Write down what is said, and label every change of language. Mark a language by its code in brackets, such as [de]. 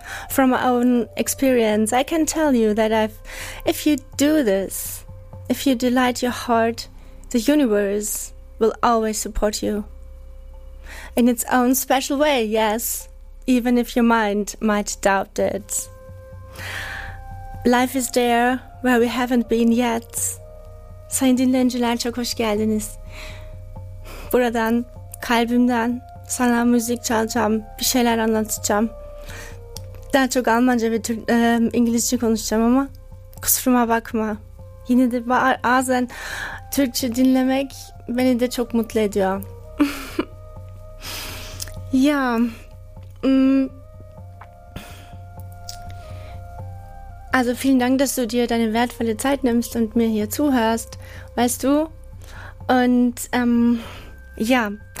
[en] From my own experience, I can tell you that if you do this, if you delight your heart, the universe will always support you. In its own special way, yes, even if your mind might doubt it. Life is there where we haven't been yet. [tr] Sein din lenjelan çokosh geldiniz. Buradan kalbimden sana müzik çalacağım, bir şeyler anlatacağım. Daha çok Almanca ve İngilizce konuşacağım ama kusuruma bakma. Yine de bazen Türkçe dinlemek beni de çok mutlu ediyor. [de] Ya, also vielen Dank, dass du dir deine wertvolle Zeit nimmst und mir hier zuhörst, weißt du? Und ja.